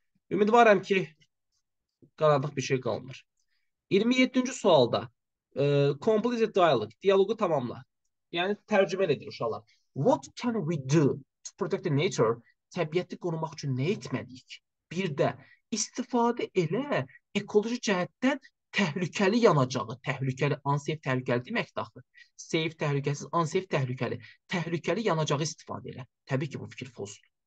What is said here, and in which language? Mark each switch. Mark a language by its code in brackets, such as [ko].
[az] Ümidvaram ki qaranlıq bir şey qalmır. 27-ci sualda [en] complete the dialogue. [az] Diyalogu tamamla. Yani tercüme edin uşaqlar. [en] What can we do to protect the nature? [az] Təbiyyəti qorumaq üçün nə etməliyik? Bir de istifadə elə ekoloji cəhətdən təhlükəli yanacağı, təhlükəli, unsafe təhlükəli deməkdir axı. Safe təhlükəsiz, unsafe təhlükəli, təhlükəli yanacağı istifadə elə. Təbii ki, bu fikir fosur.